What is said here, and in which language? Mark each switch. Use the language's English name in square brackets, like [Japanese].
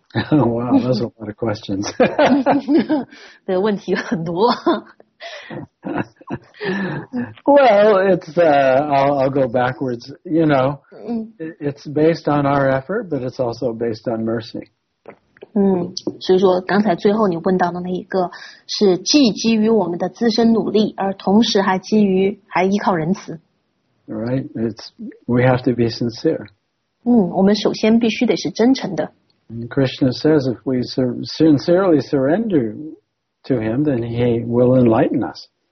[English] Wow, those are a lot of questions. [Chinese] 的问题很多。 [English] Well, it's, I'll go backwards. You know, it's based on our effort, but it's also based on mercy. [Chinese] 所以说刚才最后你问到的那一个是既基于我们的自身努力，而同时还基于，还依靠仁慈。 [English] Right, we have to be sincere. [Chinese] 我们首先必须得是真诚的。 [English] And Krishna says if we sincerely surrender to him, then he will enlighten us.